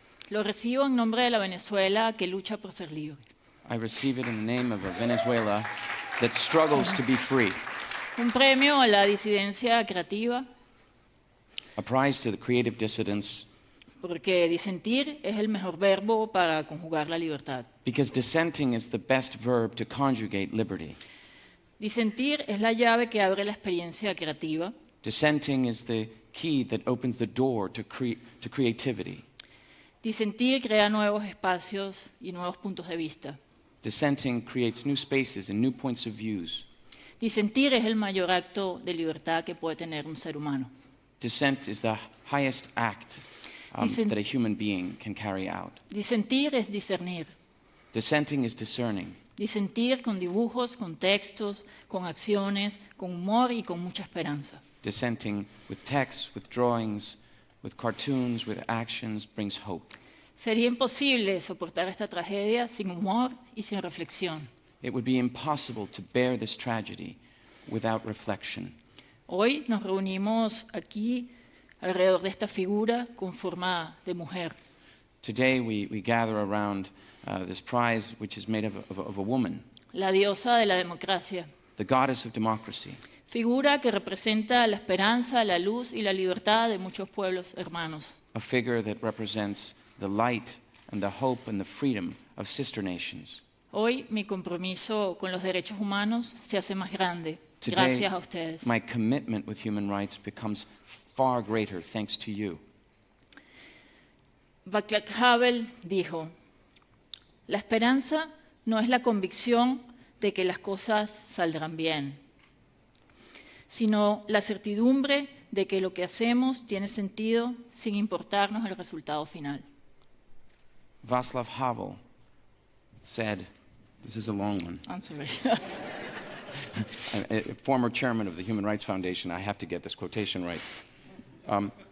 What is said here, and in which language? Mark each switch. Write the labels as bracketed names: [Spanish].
[Spanish] Lo recibo en nombre de la Venezuela que lucha por ser libre. [English] I receive it in the name of a Venezuela that struggles to be free. [Spanish] Un premio a la disidencia creativa. [English] A prize to the creative dissidents. [Spanish] Porque disentir es el mejor verbo para conjugar la libertad. [English] Because dissenting is the best verb to conjugate liberty. [Spanish] Disentir es la llave que abre la experiencia creativa. [English] Dissenting is the key that opens the door to creativity. [Spanish] Disentir crea nuevos espacios y nuevos puntos de vista. [English] Dissenting creates new spaces and new points of views. [Spanish] Disentir es el mayor acto de libertad que puede tener un ser humano. [English] Dissent is the highest act that a human being can carry out. [Spanish] Disentir es discernir. [English] Dissenting is discerning. [Spanish] Disentir con dibujos, con textos, con acciones, con humor y con mucha esperanza. [English] Dissenting with texts, with drawings, with cartoons, with actions brings hope. [Spanish] Sería imposible soportar esta tragedia sin humor y sin reflexión. [English] It would be impossible to bear this tragedy without reflection. [Spanish] Hoy nos reunimos aquí alrededor de esta figura conformada de mujer. [English] Today we gather around this prize, which is made of a woman. [Spanish] La diosa de la democracia. [English] The goddess of democracy. [Spanish] Figura que representa la esperanza, la luz y la libertad de muchos pueblos hermanos. [English] A figure that represents the light and the hope and the freedom of sister nations. [Spanish] Hoy mi compromiso con los derechos humanos se hace más grande. [English] Today, [Spanish] gracias a ustedes. [English] My commitment with human rights becomes far greater thanks to you. [Spanish] Václav Havel dijo, la esperanza no es la convicción de que las cosas saldrán bien, sino la certidumbre de que lo que hacemos tiene sentido sin importarnos el resultado final. [English] Václav Havel said, this is a long one. I'm sorry. former chairman of the Human Rights Foundation, I have to get this quotation right.